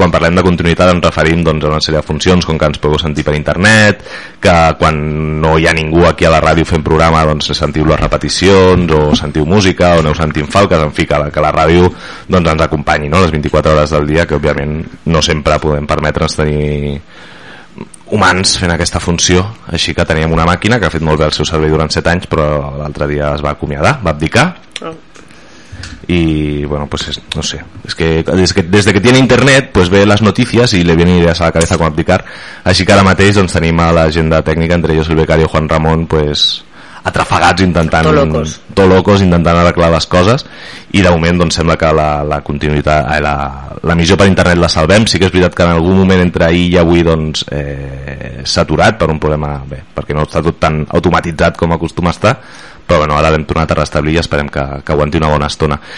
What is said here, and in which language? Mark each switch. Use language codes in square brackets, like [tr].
[ca] Quan parlem de continuïtat ens referim doncs a una sèrie de funcions, com que ens podeu sentir per internet, que quan no hi ha ningú aquí a la ràdio fent programa doncs sentiu les repeticions, o sentiu música, o aneu sentint falques, en fi, que la ràdio doncs ens acompanyi, no?, les 24 hores del dia, que òbviament no sempre podem permetre'ns tenir humans fent aquesta funció. Així que teníem una màquina que ha fet molt bé el seu servei durant 7 anys, però l'altre dia es va acomiadar, va abdicar. [es] Oh. I bueno, pues es, no sé, es que [ca] des que [es] tiene internet pues [ca] ve les notícies i [es] le vienen ideas a la cabeza com abdicar. [ca] Així que ara mateix doncs tenim a l'agenda tècnica, entre ells el becari Juan Ramon, pues atrafegats intentant tot locos intentant arreglar les coses, i de moment doncs sembla que la continuïtat, la missió per internet la salvem. Sí que és veritat que en algun moment entre ahir i avui doncs s'ha aturat per un problema, bé, perquè no està tot tan automatitzat com acostuma a estar, però bueno, ara l'hem tornat a restablir i esperem que aguanti una bona estona.